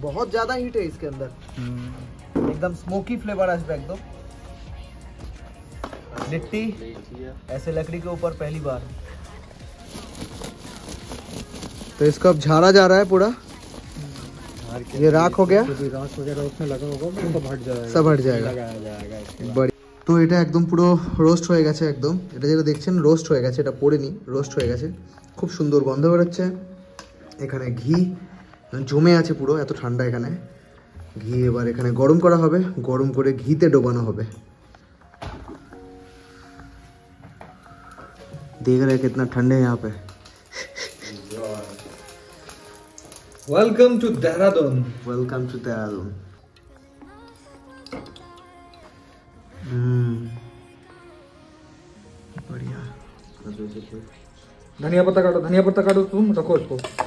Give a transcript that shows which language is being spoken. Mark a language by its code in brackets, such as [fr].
[hi] बहुत ज्यादा हीट है इसके अंदर एकदम स्मोकी फ्लेवर है इसमें एकदम लिट्टी ऐसे लकड़ी के ऊपर पहली बार तो इसको अब झाड़ा जा रहा है पूरा ये राख हो गया राख वगैरह उसमें लगा होगा तो भट जाएगा सब भट जाएगा बढ़िया तो [bn] এটা একদম পুরো রোস্ট হয়ে গেছে একদম এটা যেটা দেখছেন রোস্ট হয়ে গেছে এটা পড়েনি রোস্ট হয়ে গেছে খুব সুন্দর গন্ধ বের হচ্ছে এখানে ঘি জমে আছে পুরো এত ঠান্ডা এখানে ঘি এবার এখানে গরম করা হবে গরম করে ঘিতে ডোবানো হবে দেখ রে কত ঠান্ডে [hi] यहां पे [en] welcome to Dehradun welcome to Dehradun बढ़िया [hi] धनिया पत्ता काटो तुम रखो इसको